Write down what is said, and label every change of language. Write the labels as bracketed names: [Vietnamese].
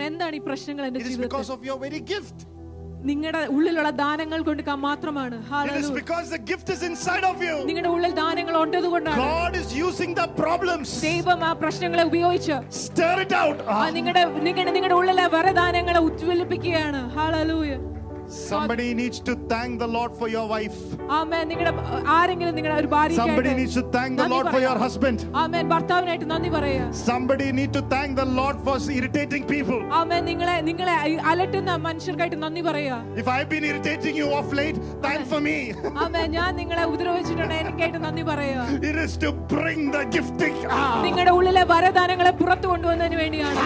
[Malayalam] എന്താണ് ഈ പ്രശ്നങ്ങൾ എന്റെ ജീവിതത്തിൽ? [English] It is because of your very gift. [Malayalam] നിങ്ങളുടെ ഉള്ളിലുള്ള ദാനങ്ങൾ കൊണ്ട് മാത്രമാണ്. [English] Hallelujah. It is because the gift is inside of you. [Malayalam] നിങ്ങളുടെ ഉള്ളിൽ ദാനങ്ങൾ ഉണ്ടത് കൊണ്ടാണ്. [English] God is using the problems. [Malayalam] ദൈവം ആ പ്രശ്നങ്ങളെ ഉപയോഗിച്ച് [English] stir it out. [Malayalam] നിങ്ങളുടെ ഉള്ളിലെ വരദാനങ്ങളെ ഉജ്ജ്വലിപ്പിക്കുകയാണ്. Hallelujah. [English] Somebody needs to thank the Lord for your wife. Amen. [Malayalam] നിങ്ങളെ ആരെങ്കിലും നിങ്ങളെ ഒരു ഭാര്യയ്ക്ക്. [English] Somebody needs to thank the Lord for your husband. [Malayalam] Amen. ഭർത്താവിനായിട്ട് നന്ദി പറയുക. [English] Somebody needs to thank the Lord for irritating people. Amen. [Malayalam] നിങ്ങളെ അലട്ടുന്ന മനുഷ്യർക്കായിട്ട് നന്ദി പറയുക. [English] If I've been irritating you of late, thank for me. [Malayalam] Amen. ഞാൻ നിങ്ങളെ ഉപദ്രവിച്ചിട്ടുണ്ട്. എനിക്കായിട്ട് നന്ദി പറയുക. [English] It is to bring the gifting. [Malayalam] നിങ്ങളുടെ ഉള്ളിലെ വരദാനങ്ങളെ പുറത്തു കൊണ്ടുവന്നതിനു വേണ്ടിയാണ്.